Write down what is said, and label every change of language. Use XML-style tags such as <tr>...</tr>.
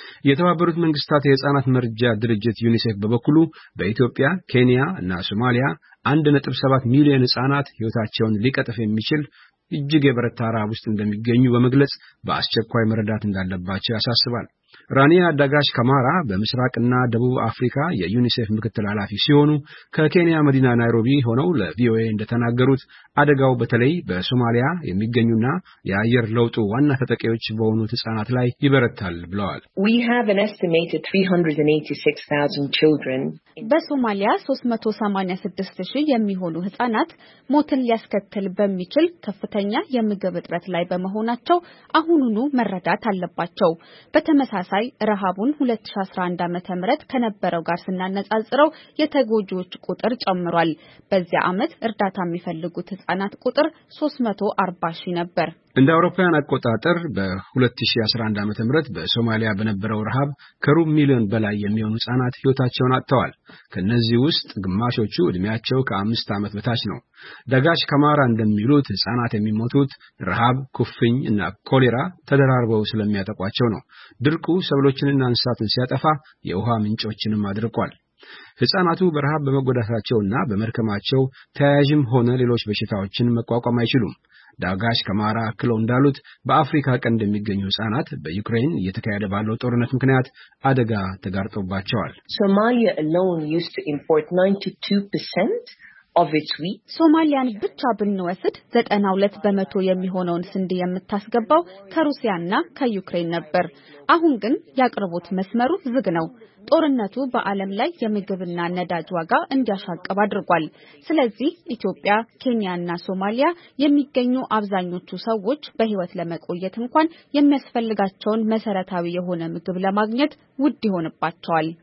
<am>የተባበሩት መንግስታት የህፃናት መርጃ ድርጅት ዩኒሴፍ በበኩሉ በኢትዮጵያ፣ ኬንያ እና ሶማሊያ 1.7 ሚሊዮን ህፃናት ህይወታቸውን ሊቀጥፍ የሚችል እጅግ የበረታ ረሃብ ውስጥ እንደሚገኙ በመግለጽ በአስቸኳይ መረዳት እንዳለባቸው ያሳስባል። ራኒያ ዳጋሽ ካማራ በምስራቅና ደቡብ አፍሪካ የዩኒሴፍ ምክትል ኃላፊ ሲሆኑ ከኬንያ መዲና ናይሮቢ ሆነው ለቪኦኤ እንደተናገሩት አደጋው በተለይ በሶማሊያ የሚገኙና የአየር ለውጡ ዋና ተጠቂዎች በሆኑ ህጻናት ላይ ይበረታል ብለዋል።</am> <en>We have an estimated 386,000 children.</en> <am>በሶማሊያ 386,000 የሚሆኑ ህጻናት ሞትን ሊያስከትል በሚችል ከፍተኛ የምግብ እጥረት ላይ በመሆናቸው አሁኑኑ መረዳት አለባቸው። በተመሳሳይ ረሃቡን 2011 ዓ.ም ምረት ከነበረው ጋር ስናነጻጽረው የተጎጂዎች ቁጥር ጨምሯል። በዚያ አመት እርዳታ የሚፈልጉት ህጻናት ቁጥር 340,000 ነበር። እንደ አውሮፓውያን አቆጣጠር በ2011 ዓመተ ምህረት በሶማሊያ በነበረው ረሃብ ከሩብ ሚሊዮን በላይ የሚሆኑ ህጻናት ህይወታቸውን አጥተዋል። ከነዚህ ውስጥ ግማሾቹ እድሜያቸው ከ5 ዓመት በታች ነው። ደጋሽ ከማራ እንደሚሉት ህጻናት የሚሞቱት ረሃብ፣ ኩፍኝ እና ኮሌራ ተደራርበው ስለሚያጠቋቸው ነው። ድርቁ ሰብሎችንና እንስሳትን ሲያጠፋ የውሃ ምንጮችንም አድርቋል። ህጻናቱ በረሃብ በመጎዳታቸውና በመርከማቸው ተያያዥም ሆነ ሌሎች በሽታዎችን መቋቋም አይችሉም። ዳጋሽ ከማራ አክለው እንዳሉት በአፍሪካ ቀንድ የሚገኙ ህጻናት በዩክሬን እየተካሄደ ባለው ጦርነት ምክንያት አደጋ ተጋርጦባቸዋል።</am> <en>Somalia alone used to import 92% of its wheat.</en> <am>ሶማሊያን ብቻ ብንወስድ 92% የሚሆነውን ስንዴ የምታስገባው ከሩሲያና ከዩክሬን ነበር። አሁን ግን ያቀርቡት መስመሩ ዝግ ነው። ጦርነቱ በአለም ላይ የምግብና ነዳጅ ዋጋ እንዲያሻቅብ አድርጓል። ስለዚህ ኢትዮጵያ፣ ኬንያና ሶማሊያ የሚገኙ አብዛኞቹ ሰዎች በህይወት ለመቆየት እንኳን የሚያስፈልጋቸውን መሰረታዊ የሆነ ምግብ ለማግኘት ውድ ሆነባቸዋል።</am>